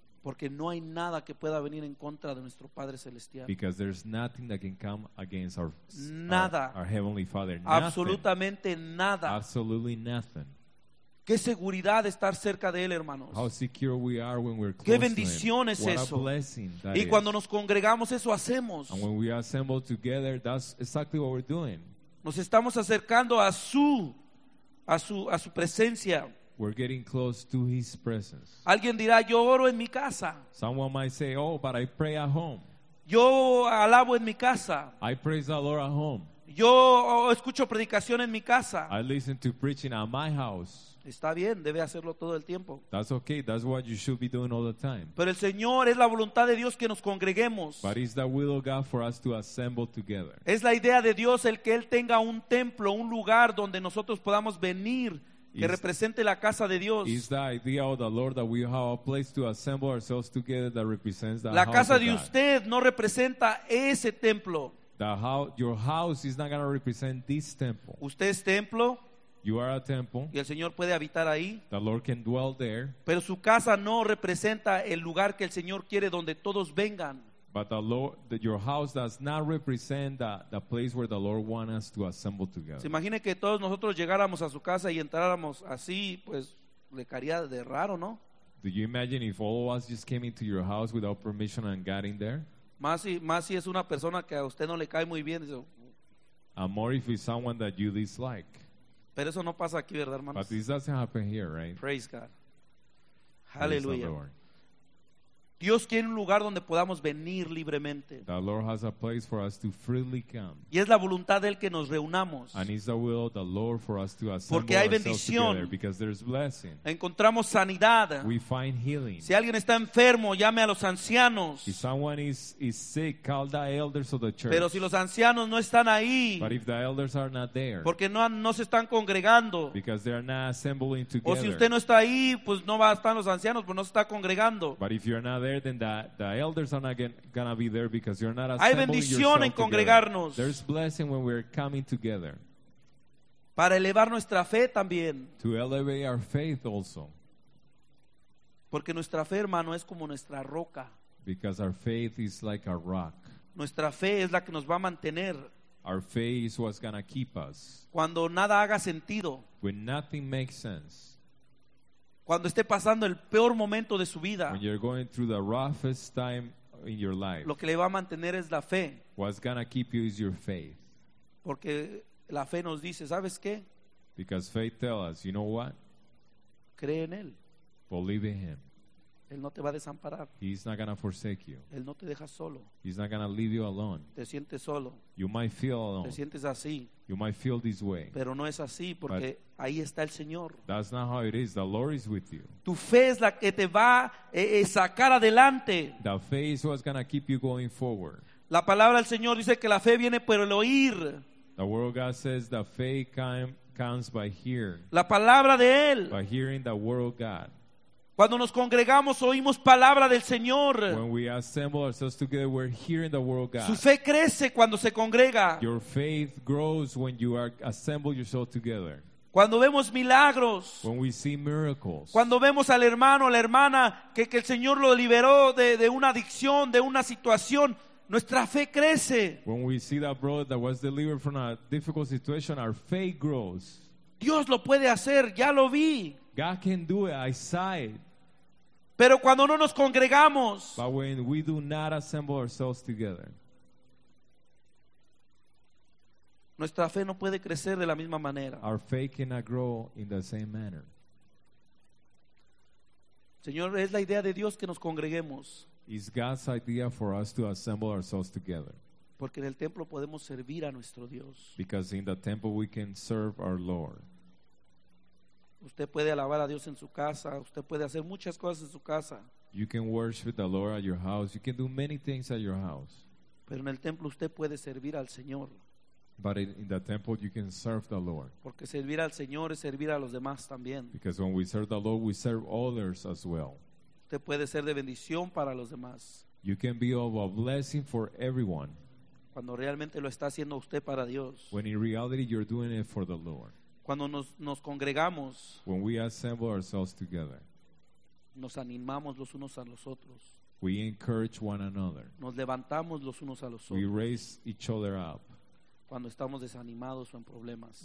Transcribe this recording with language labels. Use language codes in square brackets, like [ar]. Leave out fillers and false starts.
[es] Porque no hay nada que pueda venir en contra de nuestro Padre Celestial. [en] Because there's nothing that can come against our Heavenly Father. [es] Absolutamente [en] nothing. [es] Nada. [en] Absolutely nothing. [es] Qué seguridad estar cerca de Él, hermanos. [en] How secure we are when we're close. [es] Qué bendición es eso. Y cuando nos congregamos, eso hacemos. [en] And when we assemble together, that's exactly what we're doing. [es] Nos estamos acercando a su presencia. [en] We're getting close to His presence. [es] Alguien dirá, yo oro en mi casa. [en] Someone might say, oh, but I pray at home. [es] Yo alabo en mi casa. [en] I praise the Lord at home. [es] Yo escucho predicación en mi casa. [en] I listen to preaching at my house. [es] Está bien, debe hacerlo todo el tiempo. [en] That's okay, that's what you should be doing all the time. [es] Pero el Señor, es la voluntad de Dios que nos congreguemos. [en] But it's the will of God for us to assemble together. [es] Es la idea de Dios el que Él tenga un templo, un lugar donde nosotros podamos venir, que represente la casa de Dios. [en] It's the idea of the Lord that we have a place to assemble ourselves together that represents the house [es] La casa de usted no representa ese templo. [en] Your house is not going to represent this temple. [es] Usted es templo. [en] You are a temple. [es] Y el Señor puede habitar ahí. [en] The Lord can dwell there. [es] Pero su casa no representa el lugar que el Señor quiere donde todos vengan. [en] But your house does not represent the place where the Lord wants us to assemble together. [es] Se imagine que todos nosotros llegáramos a su casa y entráramos así, pues le caería de raro, ¿no? [en] Do you imagine if all of us just came into your house without permission and got in there? [es] Más si es una persona que a usted no le cae muy bien. [en] And more if it's someone that you dislike. [es] Pero eso no pasa aquí, ¿verdad, hermanos? [en] But this doesn't happen here, right? Praise God. Hallelujah. [es] Dios quiere un lugar donde podamos venir libremente. [en] The Lord has a place for us to freely come. [es] Y es la voluntad de Él que nos reunamos. [en] And it's the will of the Lord for us to assemble. [es] Porque hay bendición. [en] Because there's blessing. [es] Encontramos sanidad. [en] We find healing. [es] Si alguien está enfermo, llame a los ancianos. [en] If someone is sick, call the elders of the church. [es] Pero si los ancianos no están ahí. [en] But if the elders are not there. [es] Porque no se están congregando. [en] Because they're not assembling together. [es] O si usted no está ahí, pues no va a estar los ancianos, pues no se está congregando. [en] But if you're not there, then the elders are not going to be there because you're not assembling. [es] Hay bendición en congregarnos. [en] Together. There's blessing when we're coming together. [es] Para elevar nuestra fe también. [en] To elevate our faith also. [es] Porque nuestra fe, hermano, es como nuestra roca. [en] Because our faith is like a rock. [es] Nuestra fe es la que nos va a mantener. [en] Our faith is what's going to keep us. [es] Cuando nada haga sentido. [en] When nothing makes sense. [es] Cuando esté pasando el peor momento de su vida. [en] When you're going through the roughest time in your life. [es] Lo que le va a mantener es la fe. [en] What's going to keep you is your faith. [es] Porque la fe nos dice, ¿sabes qué? [en] Because faith tells us, you know what? [es] Cree en Él. [en] Believe in Him. [es] Él no te va a desamparar. [en] He's not going to forsake you. [es] Él no te deja solo. [en] He's not going to leave you alone. [es] Te sientes solo. [en] You might feel alone. [es] Te sientes así. [en] You might feel this way. [es] Pero no es así porque ahí está el Señor. [en] That's not how it is. The Lord is with you. [es] Tu fe es la que te va a sacar adelante. [en] The faith is what's going to keep you going forward. [es] La palabra del Señor dice que la fe viene por el oír. [en] The word of God says the faith comes by hearing. [es] La palabra de Él. [en] By hearing the word of God. [es] Cuando nos congregamos oímos palabra del Señor. [en] When we assemble ourselves together, we're hearing the word of God. [es] Su fe crece cuando se congrega. [en] Your faith grows when you are assemble yourself together. [es] Cuando vemos milagros. [en] When we see miracles. [es] Cuando vemos al hermano, la hermana que el Señor lo liberó de una adicción, de una situación, nuestra fe crece. [en] When we see that brother that was delivered from a difficult situation, our faith grows. [es] Dios lo puede hacer, ya lo vi. [en] God can do it, I saw it. [es] Pero cuando no nos congregamos. [en] But when we do not assemble ourselves together. [es] Nuestra fe no puede crecer de la misma manera. [en] Our faith cannot grow in the same manner. [es] Señor, es la idea de Dios que nos congreguemos. [en] It's God's idea for us to assemble ourselves together. [es] Porque en el templo podemos servir a nuestro Dios. [en] Because in the temple we can serve our Lord. [es] Usted puede alabar a Dios en su casa. Usted puede hacer muchas cosas en su casa. [en] You can worship the Lord at your house. You can do many things at your house. [es] Pero en el templo usted puede servir al Señor. [en] But in the temple you can serve the Lord. [es] Porque servir al Señor es servir a los demás también. [en] Because when we serve the Lord, we serve others as well. [es] Usted puede ser de bendición para los demás. [en] You can be of a blessing for everyone. [es] Cuando realmente lo está haciendo usted para Dios. [en] When in reality you're doing it for the Lord. [es] Cuando nos congregamos, [en] when we assemble ourselves together, [es] nos animamos los unos a los otros, [en] we encourage one another, [es] nos levantamos los unos a los otros, [en] we raise each other up, [es] cuando estamos desanimados o en problemas,